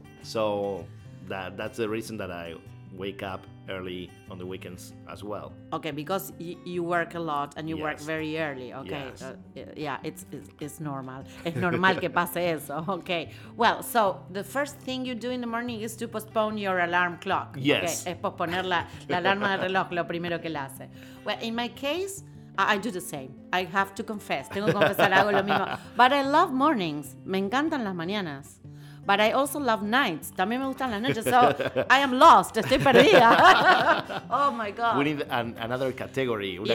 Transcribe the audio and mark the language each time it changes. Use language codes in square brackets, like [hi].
[en] So that's the reason that I wake up early on the weekends as well. Okay, because you work a lot and you work very early. Okay. Yes. It's normal. [es] Es normal que pase eso. Okay. [en] Well, so the first thing you do in the morning is to postpone your alarm clock. Yes. Okay. [es] Es posponer la alarma de reloj, lo primero que la hace. [en] Well, in my case, I do the same. I have to confess. [es] Tengo que confesar, hago lo mismo. [en] But I love mornings. [es] Me encantan las mañanas. [en] But I also love nights. [es] También me gustan las noches. [en] So I am lost. [es] Estoy perdida. [en] Oh, my God. We need another category. Una